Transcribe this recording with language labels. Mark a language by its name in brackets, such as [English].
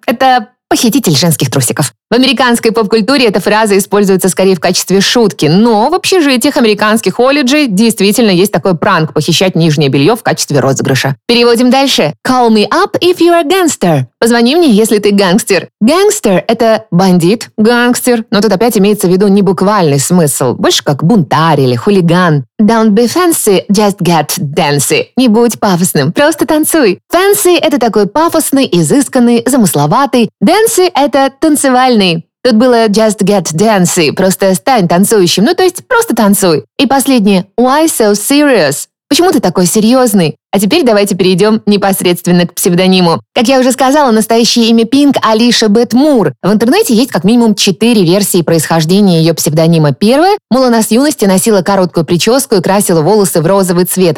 [Russian] Это похититель женских трусиков. В американской поп-культуре эта фраза используется скорее в качестве шутки, но в общежитиях американских колледжей действительно есть такой пранк – похищать нижнее белье в качестве розыгрыша. Переводим дальше. [English] Call me up if you're a gangster. [Russian] Позвони мне, если ты гангстер. Гангстер – это бандит, гангстер, но тут опять имеется в виду не буквальный смысл, больше как бунтарь или хулиган. [English] Don't be fancy, just get dancy. [Russian] Не будь пафосным, просто танцуй. Fancy – это такой пафосный, изысканный, замысловатый. Dancy – это танцевальный. Тут было [English] just get dancy, [Russian] просто стань танцующим, ну то есть просто танцуй. И последнее [English] – why so serious? [Russian] Почему ты такой серьезный? А теперь давайте перейдем непосредственно к псевдониму. Как я уже сказала, настоящее имя Pink – Алиша Бет Мур. В интернете есть как минимум 4 версии происхождения ее псевдонима. Первая – мол, она с юности носила короткую прическу и красила волосы в розовый цвет.